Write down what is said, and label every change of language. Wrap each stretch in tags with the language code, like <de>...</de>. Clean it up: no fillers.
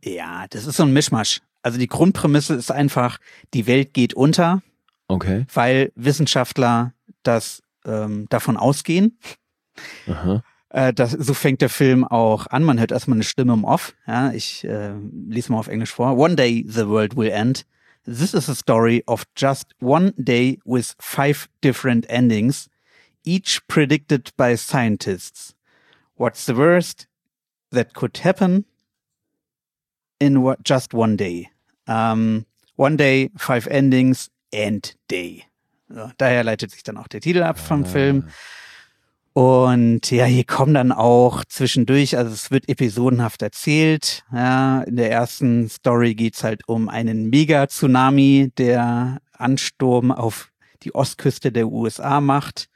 <de>Ja, das ist so ein Mischmasch. Also die Grundprämisse ist einfach, die Welt geht unter, okay, weil Wissenschaftler das davon ausgehen. Aha. So fängt der Film auch an. Man hört erstmal eine Stimme im Off. Ja, ich lese mal auf Englisch vor.</de> <en>One day the world will end. This is a story of just one day with 5 different endings, each predicted by scientists. What's the worst that could happen in just one day? One day, 5 endings, end day.</en> <de>So, daher leitet sich dann auch der Titel ab vom Film. Und ja, hier kommen dann auch zwischendurch, also es wird episodenhaft erzählt. Ja, in der ersten Story geht's halt um einen Mega-Tsunami, der Ansturm auf die Ostküste der USA macht.</de>